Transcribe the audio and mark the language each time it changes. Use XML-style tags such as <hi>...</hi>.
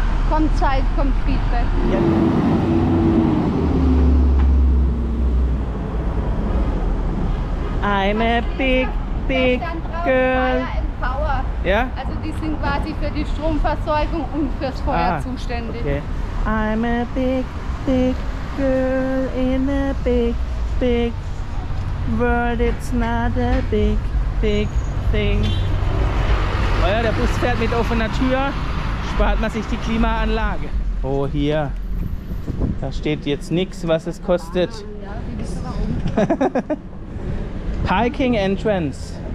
<de>Kommt Zeit, kommt Feedback. Ja.</de> <en>I'm a big, big girl. Power.</en> <de>Ja? Also die sind quasi für die Stromversorgung und fürs Feuer zuständig. Okay.</de> <en>I'm a big, big girl in a big, big world. It's not a big, big thing.</en> <de>Oh ja, der Bus fährt mit offener Tür, spart man sich die Klimaanlage. Oh, hier. Da steht jetzt nichts, was es kostet. Ja, wie bist du da oben? Parking Entrance.</de>